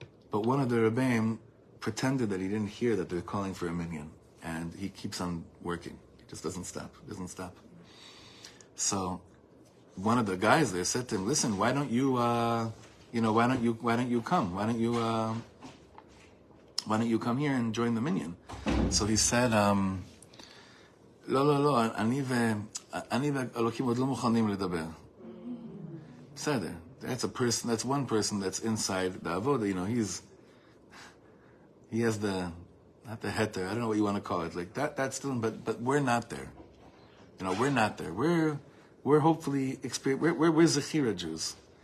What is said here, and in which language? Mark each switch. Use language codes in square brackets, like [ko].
[en] But one of the Rebbeim pretended that he didn't hear that they're calling for a minyan, and he keeps on working. Just doesn't stop. So one of the guys there said to him, listen, why don't you come? Why don't you why don't you come here and join the minyan? So he said, [he] לא, אני ו אלוקים עוד לא מוכנים לדבר. בסדר. [en] That's a person, that's one person that's inside the avoda. You know, he has the, not the heter, I don't know what you want to call it. Like, that's still, but we're not there. You know, we're not there. We're hopefully, we're Zechira Jews.